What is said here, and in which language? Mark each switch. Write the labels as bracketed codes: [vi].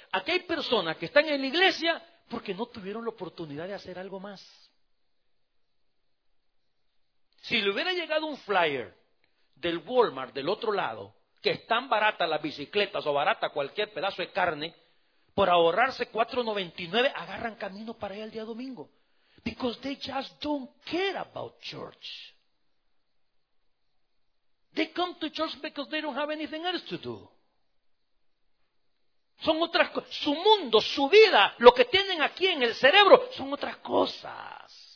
[es] Aquí hay personas que están en la iglesia porque no tuvieron la oportunidad de hacer algo más. Si le hubiera llegado un flyer del Walmart, del otro lado, que están baratas las bicicletas o barata cualquier pedazo de carne, por ahorrarse $4.99, agarran camino para allá el día domingo. [en] Because they just don't care about church. They come to church because they don't have anything else to do. [es] Son otras cosas. Su mundo, su vida, lo que tienen aquí en el cerebro, son otras cosas.